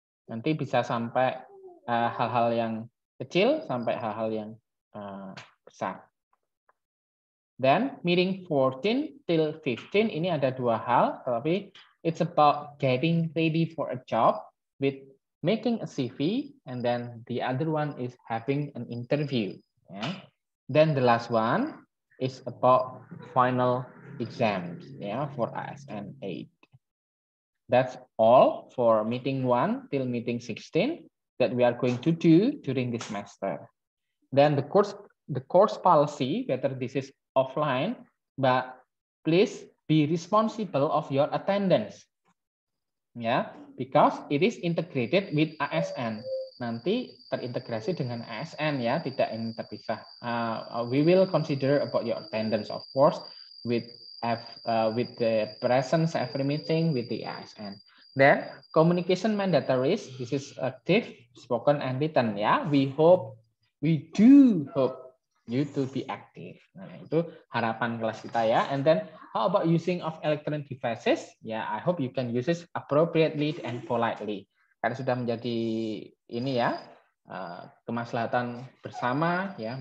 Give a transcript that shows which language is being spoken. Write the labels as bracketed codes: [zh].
[id] Nanti bisa sampai hal-hal yang kecil sampai hal-hal yang besar. [en] Then meeting 14 till 15, ini ada dua hal, tapi it's about getting ready for a job with making a CV, and then the other one is having an interview. Yeah. Then the last one is about final exams, yeah, for ASN 8. That's all for meeting 1 till meeting 16. that we are going to do during this semester. Then the course policy, whether this is offline, but please be responsible of your attendance. Yeah, because it is integrated with ASN. [id] Nanti terintegrasi dengan ASN ya, tidak ini terpisah. [en] We will consider about your attendance, of course, with the presence every meeting with the ASN. Then communication mandatories, this is active, spoken, and written. Ya, we do hope you to be active. [id] Nah, itu harapan kelas kita ya. [en] And then how about using of electronic devices? Ya, yeah, I hope you can use it appropriately and politely. [id] Karena sudah menjadi ini ya, kemaslahatan bersama ya.